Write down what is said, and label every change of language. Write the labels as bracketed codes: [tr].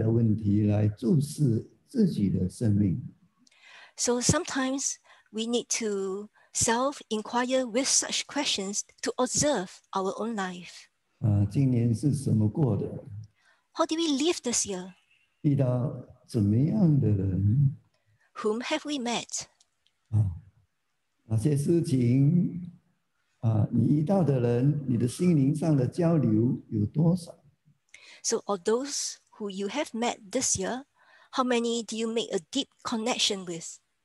[zh] 有时候我们需要带着这样的问题来注视自己的生命。 [en] So sometimes we need to self-inquire with such questions to observe our own life. [zh] 今年是怎么过的? [en] How did we live this year? [zh] 遇到怎么样的人? [en] Whom have we met? [zh] 哪些事情你遇到的人,你的心灵上的交流有多少? [en] So of those who you have met this year, how many do you make a deep connection with?